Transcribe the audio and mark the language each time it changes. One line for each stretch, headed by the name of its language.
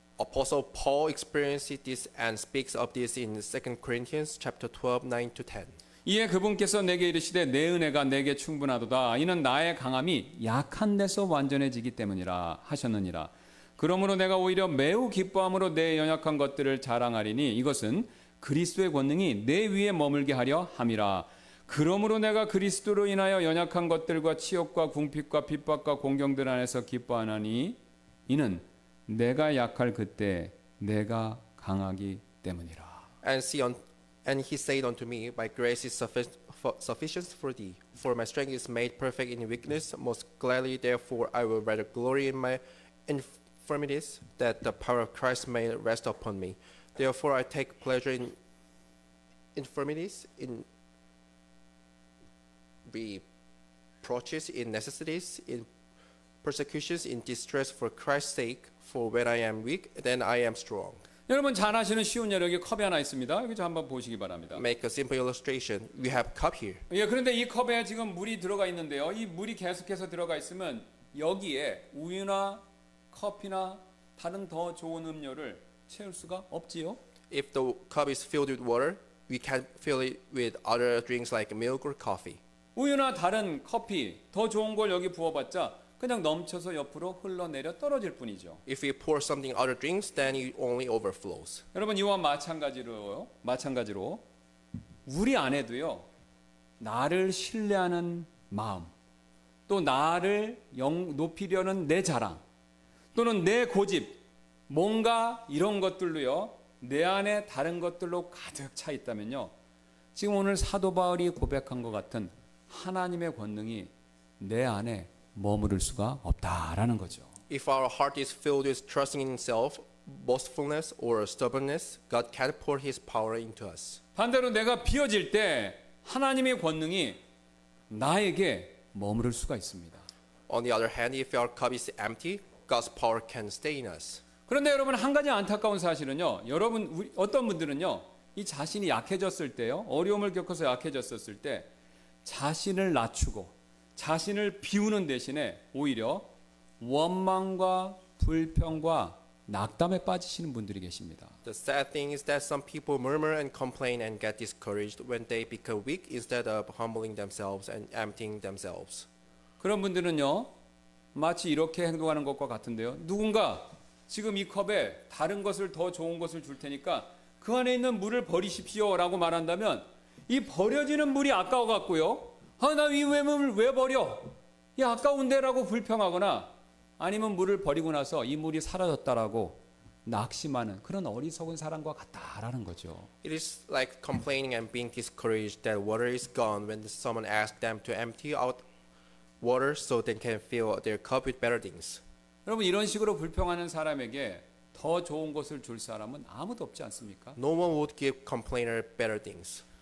English: Apostle Paul experienced this and speaks of this in 2 Corinthians chapter 12, 9 to 10.
Korean: 이에 그분께서 내게 이르시되 내 은혜가 내게 충분하도다 이는 나의 강함이 약한 데서 완전해지기 때문이라 하셨느니라 그러므로 내가 오히려 매우 기뻐함으로 내 연약한 것들을 자랑하리니 이것은 그리스도의 권능이 내 위에 머물게 하려 함이라 그러므로 내가 그리스도로 인하여 연약한 것들과 치욕과 궁핍과 핍박과 공경들 안에서 기뻐하나니 이는 내가 약할 그때 내가 강하기 때문이라
English: And he said unto me, My grace is sufficient for thee, for my strength is made perfect in weakness. Most gladly, therefore, I will rather glory in my infirmities, that the power of Christ may rest upon me. Therefore, I take pleasure in infirmities, in reproaches, in necessities, in persecutions, in distress for Christ's sake. For when I am weak, then I am strong.
Korean: 여러분 잘 아시는 쉬운 예로 여기 컵이 하나 있습니다. 여기 좀 한번 보시기 바랍니다.
English: Make a simple illustration. We have cup here.
Korean: 예, 그런데 이 컵에 지금 물이 들어가 있는데요. 이 물이 계속해서 들어가 있으면 여기에 우유나 커피나 다른 더 좋은 음료를 채울 수가 없지요.
English: If the cup is filled with water, we can't fill it with other drinks like milk or coffee.
Korean: 우유나 다른 커피 더 좋은 걸 여기 부어봤자 그냥 넘쳐서 옆으로 흘러내려 떨어질 뿐이죠.
English: If we pour something other drinks, then it only overflows.
Korean: 여러분 이와 마찬가지로 우리 안에도요 나를 신뢰하는 마음, 또 나를 높이려는 내 자랑, 또는 내 고집, 뭔가 이런 것들로요 내 안에 다른 것들로 가득 차 있다면요 지금 오늘 사도 바울이 고백한 것 같은 하나님의 권능이 내 안에 머무를 수가 없다라는 거죠.
English: If our heart is filled with trusting in self, boastfulness or stubbornness, God can't pour His power into us.
Korean: 반대로 내가 비어질 때 하나님의 권능이 나에게 머무를 수가 있습니다.
English: On the other hand, if our cup is empty, God's power can stay in us.
Korean: 그런데 여러분 한 가지 안타까운 사실은요. 여러분 우리, 어떤 분들은요. 이 자신이 약해졌을 때요. 어려움을 겪어서 약해졌었을 때 자신을 낮추고 자신을 비우는 대신에 오히려 원망과 불평과 낙담에 빠지시는 분들이 계십니다.
English: The sad thing is that some people murmur and complain and get discouraged when they become weak instead of humbling themselves and emptying themselves.
Korean: 그런 분들은요. 마치 이렇게 행동하는 것과 같은데요. 누군가 지금 이 컵에 다른 것을 더 좋은 것을 줄 테니까 그 안에 있는 물을 버리십시오라고 말한다면 이 버려지는 물이 아까워 같고요. 아, 나 이 물을 왜 버려? 이 아까운데라고 불평하거나 아니면 물을 버리고 나서 이 물이 사라졌다라고 낙심하는 그런 어리석은 사람과 같다라는 거죠.
English: It is like complaining and being discouraged that water is gone when someone asks them to empty out water so they can fill their cup with better things.
Korean: 여러분 이런 식으로 불평하는 사람에게 더 좋은 것을 줄 사람은 아무도 없지 않습니까?
English: No one would give complainer better things.